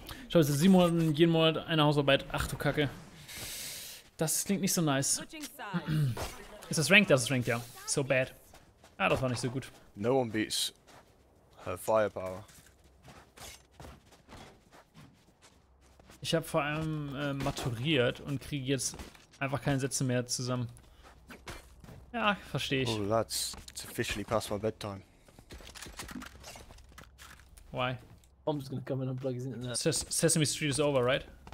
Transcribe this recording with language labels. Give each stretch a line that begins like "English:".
German: Schau, es ist 7 Monate, jeden Monat eine Hausarbeit. Ach du Kacke. Das klingt nicht so nice. Ist das ranked? Das ist ranked, ja.
English: So bad.
German: Ah, das war nicht so gut.
English: No one beats her firepower.
German: Ich hab vor allem maturiert und kriege jetzt einfach keine Sätze mehr zusammen. Ja, verstehe ich.
English: Oh, it's officially past my bedtime. Why? Bomb's gonna come in and plug his internet. Sesame Street is over, right?